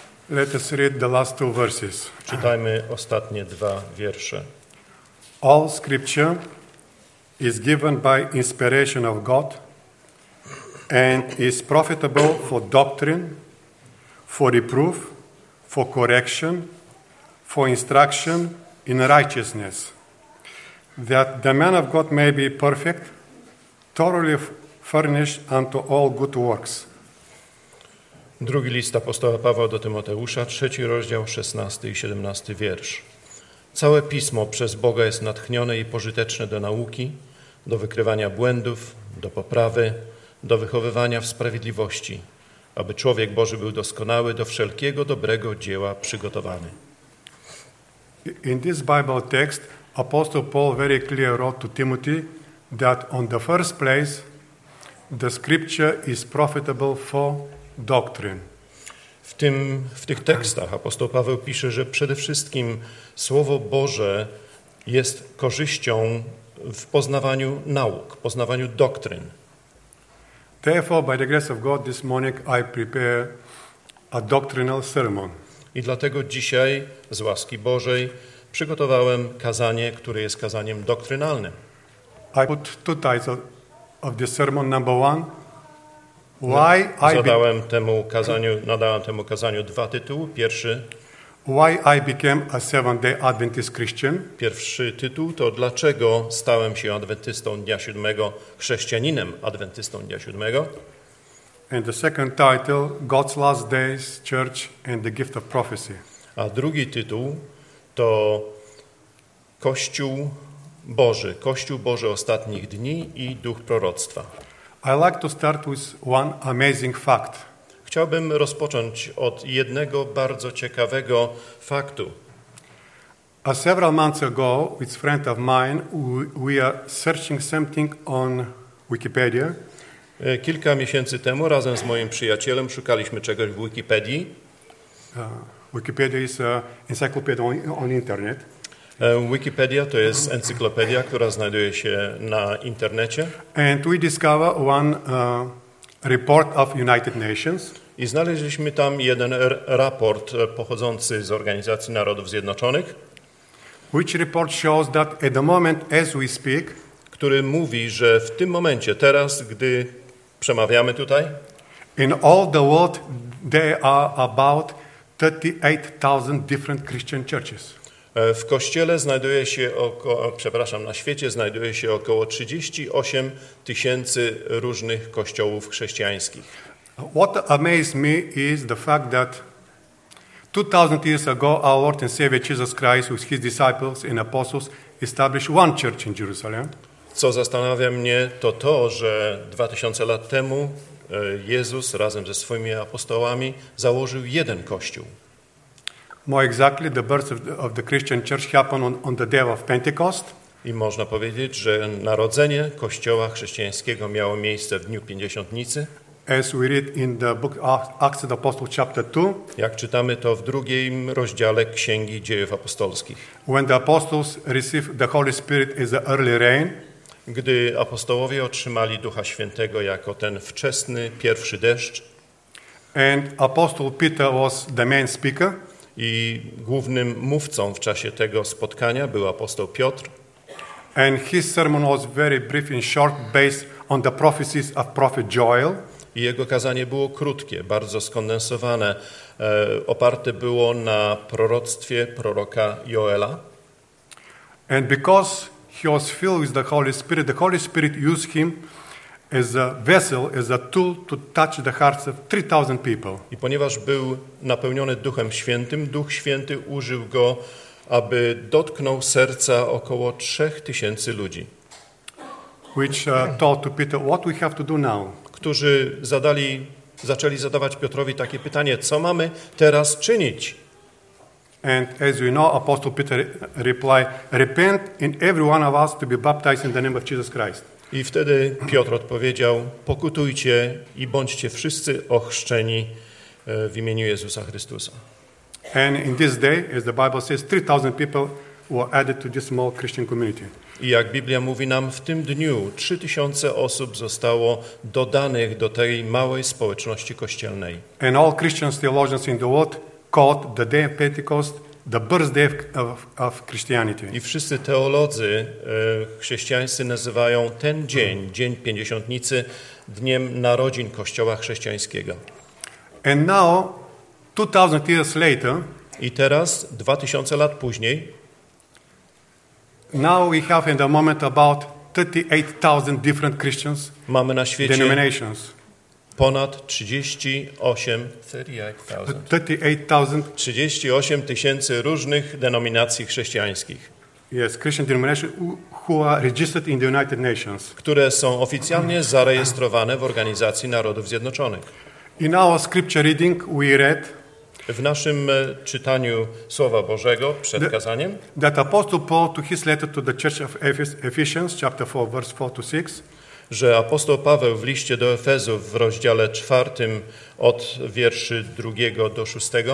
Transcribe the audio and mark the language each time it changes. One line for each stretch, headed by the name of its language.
English: Let us read the last two verses.
Polish: Czytajmy ostatnie dwa wiersze.
English: All scripture is given by inspiration of God and is profitable for doctrine, for reproof, for correction, for instruction in righteousness, that the man of God may be perfect, thoroughly furnished unto all good works.
Polish: Drugi list apostoła Pawła do Tymoteusza, 3 rozdział, 16 i 17 wiersz. Całe pismo przez Boga jest natchnione i pożyteczne do nauki, do wykrywania błędów, do poprawy, do wychowywania w sprawiedliwości, aby człowiek Boży był doskonały, do wszelkiego dobrego dzieła przygotowany.
English: In this Bible text, Apostle Paul very clear wrote to Timothy that on the first place, the scripture is profitable for doctrine.
Polish: W tych tekstach apostoł Paweł pisze, że przede wszystkim Słowo Boże jest korzyścią w poznawaniu nauk, poznawaniu doktryn.
English: Therefore, by the grace of God, this morning I prepare a doctrinal sermon.
Polish: I dlatego dzisiaj z łaski Bożej przygotowałem kazanie, które jest kazaniem doktrynalnym.
English: I put two titles of this sermon. Number one, why I
Polish: zadałem temu kazaniu, nadałem temu kazaniu dwa tytuły. Pierwszy,
English: why I became a Seventh-day Adventist Christian.
Polish: Pierwszy tytuł to dlaczego stałem się adwentystą dnia siódmego, chrześcijaninem adwentystą dnia siódmego.
English: And the second title, God's Last Days, Church and the Gift of Prophecy.
Polish: A drugi tytuł to Kościół Boży ostatnich dni i duch proroctwa.
English: I like to start with one amazing fact.
Polish: Chciałbym rozpocząć od jednego bardzo ciekawego faktu.
English: A several months ago, with a friend of mine, we are searching something on Wikipedia.
Polish: Kilka miesięcy temu razem z moim przyjacielem szukaliśmy czegoś w Wikipedii.
English: Wikipedia is an encyclopedia on internet.
Polish: Wikipedia to jest encyklopedia, która znajduje się na internecie.
English: And we discover one report of United Nations.
Polish: I znaleźliśmy tam jeden raport pochodzący z Organizacji Narodów Zjednoczonych.
English: Which report shows that at the moment as we speak,
Polish: który mówi, że w tym momencie, teraz, gdy przemawiamy tutaj,
English: in all the world there are about 38,000 different Christian churches.
Polish: W kościele znajduje się na świecie znajduje się około 38 tysięcy różnych kościołów chrześcijańskich.
English: What amazed me is the fact that 2000 years ago our Lord and Savior Jesus Christ with his disciples and apostles established one church in Jerusalem.
Polish: Co zastanawia mnie to, że 2000 lat temu Jezus razem ze swoimi apostołami założył jeden kościół.
English: More exactly, the birth of the Christian Church happened on the day of Pentecost.
Polish: I można powiedzieć, że narodzenie kościoła chrześcijańskiego miało miejsce w dniu Pięćdziesiątnicy.
English: As we read in the book Acts of the Apostles, chapter 2.
Polish: Jak czytamy to w drugim rozdziale Księgi Dziejów Apostolskich.
English: When the apostles received the Holy Spirit as the early rain.
Polish: Gdy apostołowie otrzymali Ducha Świętego jako ten wczesny pierwszy deszcz.
English: And apostle Peter was the main speaker.
Polish: I głównym mówcą w czasie tego spotkania był apostoł Piotr.
English: And his sermon was very brief and short, based on the prophecies of prophet Joel.
Polish: I jego kazanie było krótkie, bardzo skondensowane, oparte było na proroctwie proroka Joela.
English: And because he was filled with the Holy Spirit used him as a vessel, as a tool to touch the hearts of 3,000 people.
Polish: I ponieważ był napełniony Duchem Świętym, Duch Święty użył go, aby dotknął serca około 3,000 ludzi.
English: Which told to Peter, what we have to do now?
Polish: Którzy zaczęli zadawać Piotrowi takie pytanie, co mamy teraz czynić?
English: And as we know, Apostle Peter replied, repent in every one of us to be baptized in the name of Jesus Christ.
Polish: I wtedy Piotr odpowiedział, pokutujcie i bądźcie wszyscy ochrzczeni w imieniu Jezusa Chrystusa.
English: And in this day, as the Bible says, 3,000 people were added to this small Christian community.
Polish: I jak Biblia mówi nam, w tym dniu 3,000 osób zostało dodanych do tej małej społeczności kościelnej.
English: And all Christian theologians in the world called the day of Pentecost the birthday of Christianity.
Polish: I wszyscy teolodzy chrześcijańscy nazywają ten dzień, dzień Pięćdziesiątnicy, dniem narodzin Kościoła chrześcijańskiego.
English: And now, 2000 years later,
Polish: i teraz 2000 lat później,
English: now we have in the moment about 38,000 different Christians.
Polish: Mamy na świecie
English: denominations.
Polish: Ponad 38 tysięcy różnych denominacji chrześcijańskich.
English: Yes, Christian denominations who are registered in the United Nations.
Polish: Które są oficjalnie zarejestrowane w Organizacji Narodów Zjednoczonych.
English: In our scripture reading we read.
Polish: W naszym czytaniu Słowa Bożego przed kazaniem.
English: That apostle Paul to his letter to the church of Ephesians chapter 4 verse 4 to 6.
Polish: Że apostoł Paweł w liście do Efezu w rozdziale 4 od wierszy 2 do 6.